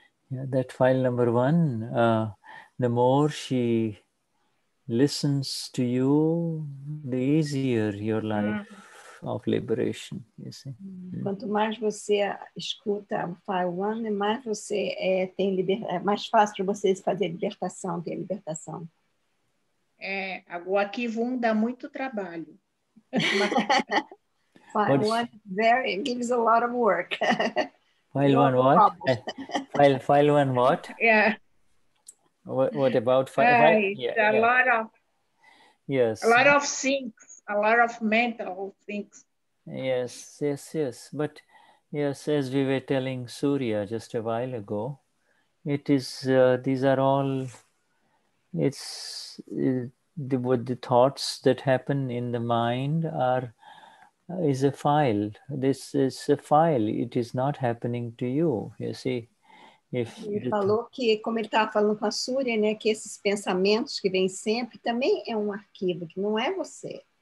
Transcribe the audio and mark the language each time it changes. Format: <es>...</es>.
<en>Yeah, that file number one, the more she... listens to you, the easier your life of liberation, you see.</en> <pt>Quanto mais você escuta o file one, mais você tem liberdade, mais fácil para vocês fazer libertação, ter libertação. É, o arquivo um dá muito trabalho.</pt> <en>File one very gives a lot of work. File one what? File one what? Yeah. What about five? Yeah, a lot of yes, a lot of things, a lot of mental things. Yes, yes, yes. But yes, as we were telling Surya just a while ago, it is these are all. The thoughts that happen in the mind is a file. This is a file. It is not happening to you. You see.</en> <pt>Ele falou que, como ele estava falando com a Surya, né, que esses pensamentos que vêm sempre também é um arquivo, que não é você.</pt>